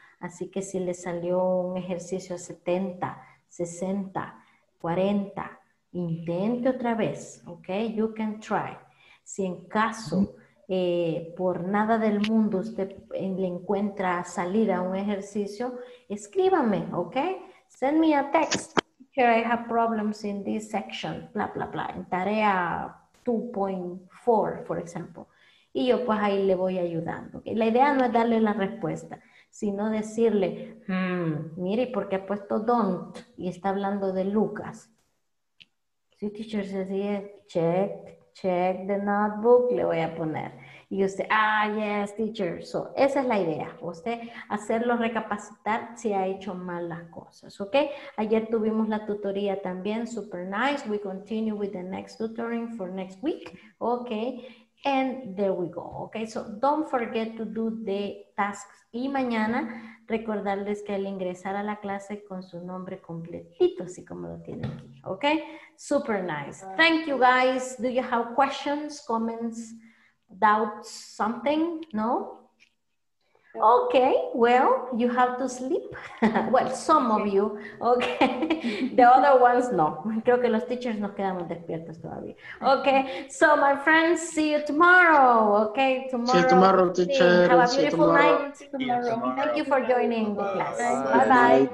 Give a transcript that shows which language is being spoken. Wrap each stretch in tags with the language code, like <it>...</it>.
<es>Así que si le salió un ejercicio a 70, 60, 40, intente otra vez, ¿ok?</es> <en>You can try.</en> <es>Si en caso, por nada del mundo usted le encuentra salir a un ejercicio, escríbame, ok?</es> <en>Send me a text. Here I have problems in this section, bla, bla, bla.</en> <es>En tarea 2.4,</es> <en>for example.</en> <es>Y yo pues ahí le voy ayudando. ¿Okay? La idea no es darle la respuesta, sino decirle, mire, ¿por qué ha puesto don't? Y está hablando de Lucas. Si teacher se dice,</es> <en>check the notebook,</en> <es>le voy a poner. Y usted,</es> <en>yes, teacher.</en> <es>So, esa es la idea. Usted hacerlo recapacitar si ha hecho mal las cosas, ¿ok? Ayer tuvimos la tutoría también,</es> <en>super nice. We continue with the next tutoring for next week, ¿ok? And there we go. Okay, so don't forget to do the tasks.</en> <es>Y mañana, recordarles que al ingresar a la clase con su nombre completito, así como lo tienen aquí.</es> <en>Okay, super nice. Thank you, guys. Do you have questions, comments, doubts, something? No? Okay, well, you have to sleep. Well, some of you, okay. The other ones, no.</en> <es>Creo que los teachers nos quedamos despiertos todavía.</es> <en>Okay, so my friends, see you tomorrow, okay? Tomorrow. See you tomorrow, teacher. Have a beautiful night tomorrow. Thank you for joining the class. Bye-bye.</en>